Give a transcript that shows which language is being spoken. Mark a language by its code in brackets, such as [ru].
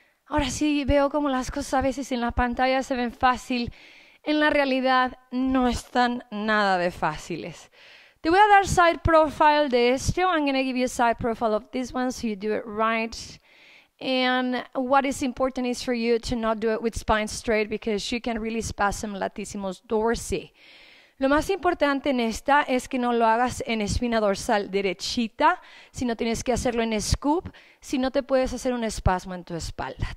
[es] Ahora sí veo como las cosas a veces en la pantalla se ven fácil. En la realidad no están nada de fáciles. Te voy a dar side profile de este. [en] I'm going to give you a side profile of this one so you do it right. And what is important is for you to not do it with spine straight because you can really spasm latissimus dorsi. [es] Lo más importante en esta es que no lo hagas en espina dorsal derechita, sino tienes que hacerlo en scoop, si no te puedes hacer un espasmo en tu espalda.